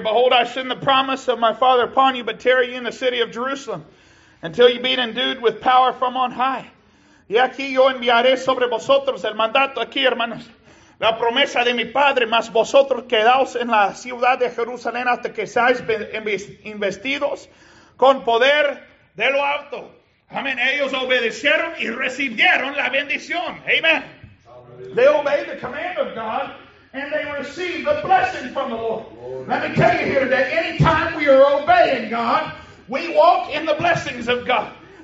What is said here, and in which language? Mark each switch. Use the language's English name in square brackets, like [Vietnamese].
[English] Behold, I send the promise of my Father upon you, but tarry ye in the city of Jerusalem until you be endued with power from on high. [Spanish] Y aquí yo enviaré sobre vosotros el mandato. Aquí, hermanos, la promesa de mi Padre, mas vosotros quedaos en la ciudad de Jerusalén hasta que seáis investidos con poder de lo alto. Amen. Ellos obedecieron y recibieron la bendición. Amen. [English] They obeyed the command of God and they received the blessing from the Lord. Let me tell you here that anytime we are obeying God, we walk in the blessings of God.